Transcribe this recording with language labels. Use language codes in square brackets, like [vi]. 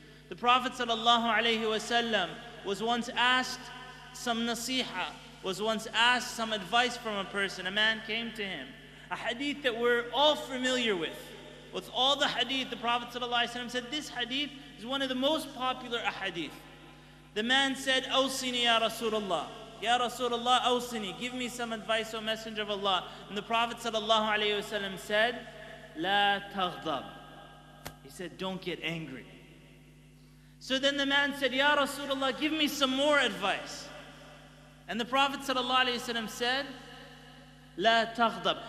[en] The Prophet ﷺ was once asked some nasiha, was once asked some advice from a person. A man came to him, a hadith that we're all familiar with. With all the hadith, the Prophet ﷺ said, this hadith is one of the most popular ahadith. [ar] The man said, أوصني يا رسول الله. يا رسول الله أوصني. [en] Give me some advice, O Messenger of Allah. And the Prophet ﷺ said, [ar] لا تغضب. [en] He said, don't get angry. So then the man said, [ar] يا رسول الله, [en] give me some more advice. And the Prophet ﷺ said, [ar] لا تغضب.